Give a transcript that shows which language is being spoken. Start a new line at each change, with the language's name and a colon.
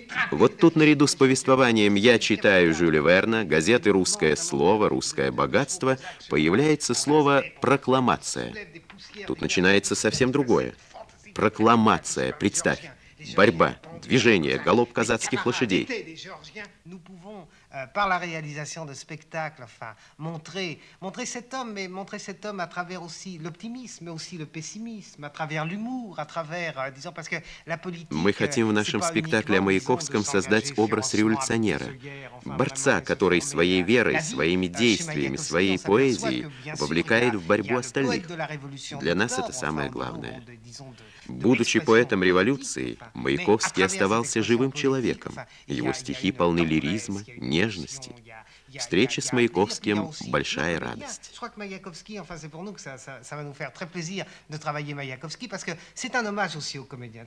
Russian: Вот тут наряду с повествованием «Я читаю Жюля Верна», газеты «Русское слово», «Русское богатство», появляется слово «прокламация». Тут начинается совсем другое. Прокламация, представь. Борьба, движение, галоп казацких лошадей.
French: Nous pouvons par la réalisation de spectacle enfin montrer cet homme mais montrer cet homme à travers aussi l'optimisme mais aussi le pessimisme à travers l'humour à travers disons parce que la politique.
Russian: Мы хотим в нашем спектакле о Маяковском создать образ революционера, борца, который своей верой, своими действиями, своей поэзией вовлекает в борьбу остальных. Для нас это самое главное. Будучи поэтом революции, Маяковский оставался живым человеком. Его стихи полны лиризма, нежности. Встреча с Маяковским – большая радость.
French: Je crois que Маяковский, enfin c'est pour nous que ça va nous faire très plaisir de travailler Маяковский, parce que c'est un hommage aussi au comédien.